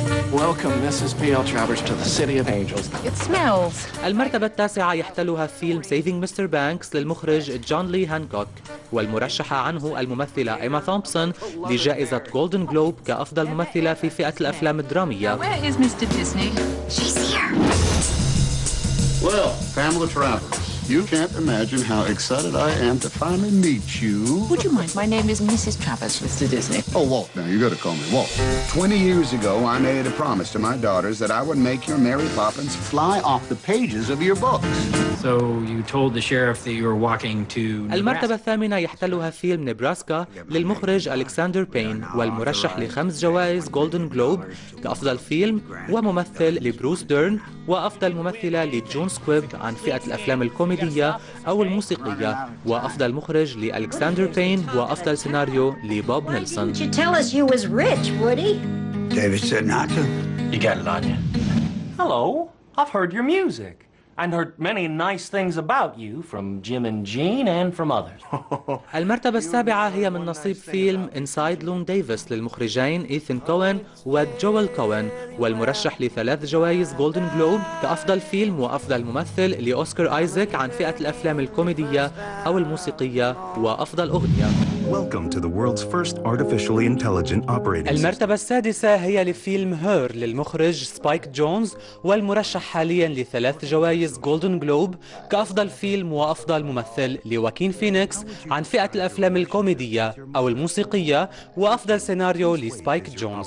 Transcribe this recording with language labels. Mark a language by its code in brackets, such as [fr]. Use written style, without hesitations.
[en] Welcome, Mrs. P.L. Travers, to the City of Angels. It smells. [ar] المرتبة التاسعة يحتلها فيلم Saving Mr. Banks للمخرج John Lee Hancock، والمرشحة عنه الممثلة إيما ثومبسون لجائزة Golden Globe كأفضل ممثلة في فئة الأفلام الدرامية. [en] Where is Mr. Disney? She's here. Well, Pamela Travers, you can't imagine how excited I am to finally meet you. Would you mind? My name is Mrs. Travers, Mr. Disney. Oh, Walt. Now, you got to call me Walt. 20 years ago, I made a promise to my daughters that I would make your Mary Poppins fly off the pages of your books. So you told the sheriff that you were walking to Nebraska. [ar] المرتبة الثامنة يحتلها فيلم نبراسكا للمخرج ألكسندر بين، والمرشح لخمس جوائز جولدن جلوب كأفضل فيلم وممثل لبروس ديرن، وأفضل ممثلة لجون سكويب عن فئة الأفلام الكوميدية أو الموسيقية، وأفضل مخرج لألكسندر بين، وأفضل سيناريو لبوب نيلسون. [en] Why didn't you tell us you was rich, Woody? David said not to. You got a lot. Hello, I've heard your music. And heard many nice things about you from Jim and Jean and from others. [ar] المرتبة السابعة هي من نصيب فيلم Inside Llewyn Davis للمخرجين إيثان كوين وجوال كوين، والمرشح لثلاث جوائز جولدن جلوب كأفضل فيلم وأفضل ممثل لأوسكار آيزاك عن فئة الأفلام الكوميدية أو الموسيقية وأفضل أغنية. [en] Welcome to the world's first artificially intelligent operating. [ar] المرتبة السادسة هي لفيلم هير للمخرج سبايك جونز، والمرشح حاليا لثلاث جوائز جولدن جلوب كأفضل فيلم وأفضل ممثل لواكين فينيكس عن فئة الأفلام الكوميدية أو الموسيقية وأفضل سيناريو لسبايك جونز.